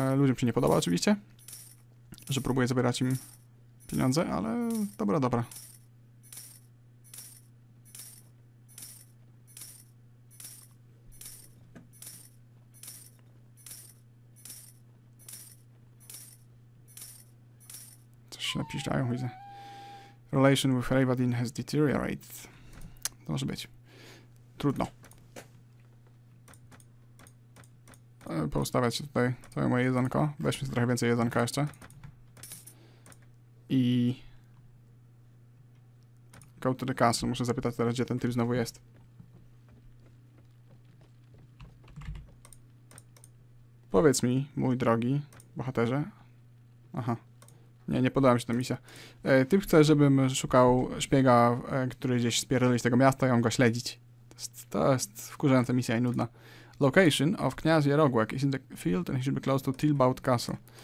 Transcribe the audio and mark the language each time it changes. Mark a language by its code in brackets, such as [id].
[pl] Ludziom się nie podoba oczywiście, że próbuję zabierać im pieniądze, ale dobra. Coś się napiszczają, widzę. [en] Relation with Rayvadin has deteriorated. [pl] To może być. Trudno. Poustawiać się tutaj, to moje jedzonko. Weźmy sobie trochę więcej jedzonka jeszcze. [en] I go to the castle. [pl] Muszę zapytać teraz, gdzie ten typ znowu jest. Powiedz mi, mój drogi bohaterze. Aha. Nie podoba mi się ta misja. Typ chce, żebym szukał szpiega, który gdzieś spierdolił z tego miasta i on go śledzić. To jest wkurzająca misja i nudna. [en] Location of Kniaz Jarogłek is in the field and he should be close to Tilbaut Castle.